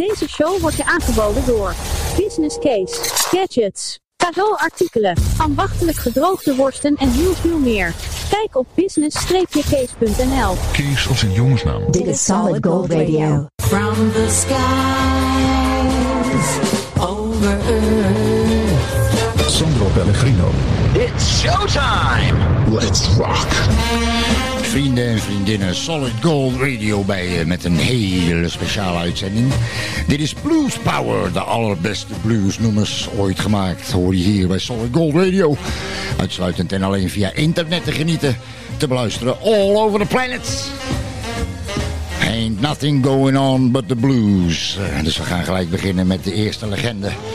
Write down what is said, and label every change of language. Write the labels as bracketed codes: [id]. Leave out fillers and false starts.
[nl] Deze show wordt je aangeboden door Business Case, Gadgets, cadeauartikelen, ambachtelijk gedroogde worsten en heel veel meer. Kijk op business-case.nl. Kees als een jongensnaam. Dit is Solid Gold Radio. [en] From the skies over Earth. Sandro Pellegrino. It's showtime. Let's rock. [nl] Vrienden en vriendinnen, Solid Gold Radio bij je met een hele speciale uitzending. Dit is Blues Power, de allerbeste bluesnummers ooit gemaakt. Hoor je hier bij Solid Gold Radio. Uitsluitend en alleen via internet te genieten, te beluisteren [en] all over the planet. Ain't nothing going on but the blues. [nl] Dus we gaan gelijk beginnen met de eerste legende.